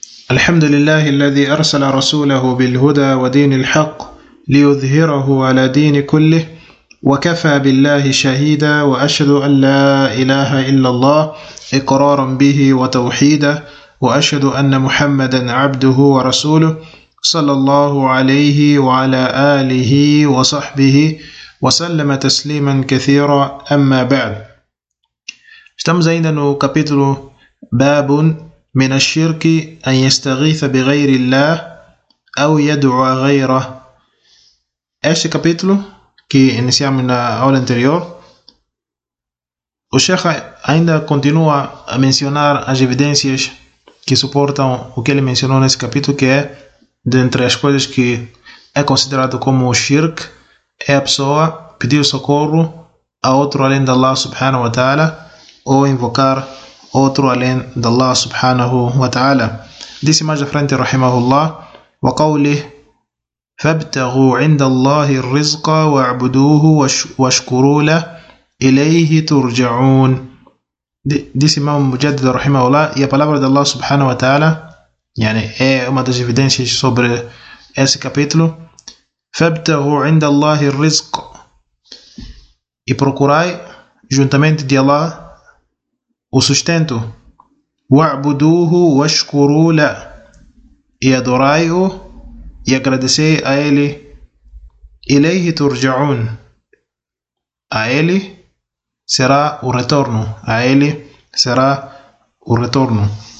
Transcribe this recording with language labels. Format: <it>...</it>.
<ar>الحمد لله الذي أرسل رسوله بالهدى ودين الحق ليظهره على دين كله وكفى بالله شهيدا وأشهد أن لا إله إلا الله إقرارا به وتوحيدا وأشهد أن محمدا عبده ورسوله صلى الله عليه وعلى آله وصحبه وسلم تسليما كثيرا أما بعد.</ar> <pt>Estamos ainda no capítulo</pt> <ar>باب من الشرك أن يستغيث بغير الله أو يدعو غيره.</ar> <pt>Este capítulo que iniciamos na aula anterior, o Sheikh ainda continua a mencionar as evidências que suportam o que ele mencionou nesse capítulo, que é dentre as coisas que é considerado como shirk, é a pessoa pedir socorro a outro além de Allah subhanahu wa ta'ala ou invocar outro além de Allah subhanahu wa ta'ala. Disse mais à frente,</pt> <ar>rahimahullah, wa qawlih, فابتغوا عند الله الرزق واعبدوه واشكروا له إليه ترجعون.</ar> <pt>Disse Imam Mujaddid رحمه الله, e a palavra de Allah subhanahu wa ta'ala, yani é uma das evidências sobre esse capítulo,</pt> <ar>فابتغوا عند الله الرزق,</ar> <pt>e procurai juntamente de Allah o sustento,</pt> <ar>واعبدوه واشكروا له,</ar> <pt>e adorai-o e agradecer a ele, ilayhi turja'un, a ele será o retorno, a ele será o retorno.</pt>